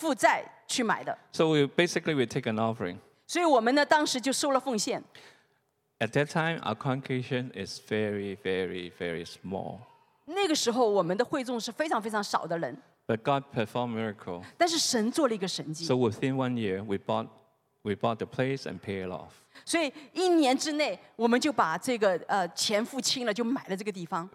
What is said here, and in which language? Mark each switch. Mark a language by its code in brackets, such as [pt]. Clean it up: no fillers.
[zh] 因为我告诉他们我不想我们是负债去买的。 [en] So we take an offering. [zh] 所以我们呢当时就收了奉献。 [en] At that time, our congregation is very, very, very small. [zh] 那个时候我们的会众是非常非常少的人。 [en] But God performed miracle. [zh] 但是神做了一个神迹。 [en] So within 1 year, we bought the place and paid it off. [zh] 所以一年之内，我们就把这个钱付清了，就买了这个地方。